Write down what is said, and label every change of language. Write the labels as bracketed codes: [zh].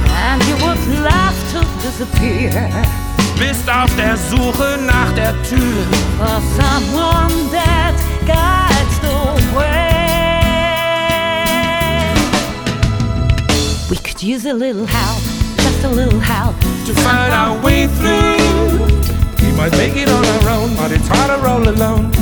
[en] And you would love to disappear. [de] Bist auf der Suche nach der Tür. [en] For someone that guides the way. We could use a little help, just a little help. To find our way through. We might make it on our own, but it's hard to roll alone.